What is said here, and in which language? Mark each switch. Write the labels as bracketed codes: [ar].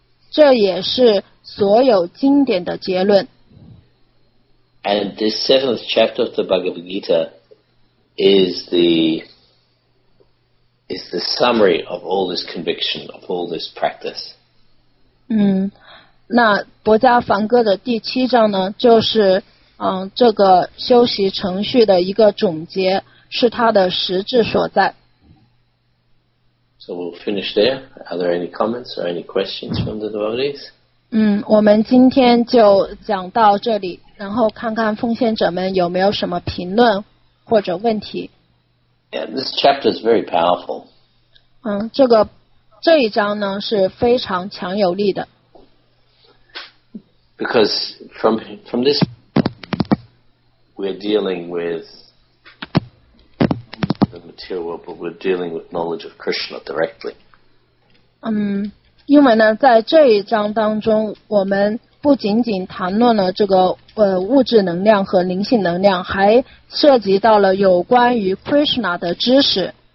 [zh] 这也是所有经典的结论。 [en] And this seventh chapter of the Bhagavad Gita is the summary of all this conviction, of all this practice. [zh] 那博迦梵歌的第七章呢，就是这个修习程序的一个总结，是它的实质所在。 [en] So we'll finish there. Are there any comments or any questions from the devotees? [zh] 我们今天就讲到这里，然后看看奉献者们有没有什么评论或者问题。 [en] Yeah, this chapter is very powerful. [zh] 这一章呢是非常强有力的。 [en] Because from this, we're dealing with. But we're dealing with knowledge of Krishna directly. [zh] 因为呢，在这一章当中，我们不仅仅谈论了这个物质能量和灵性能量，还涉及到了有关于 Krishna 的知识。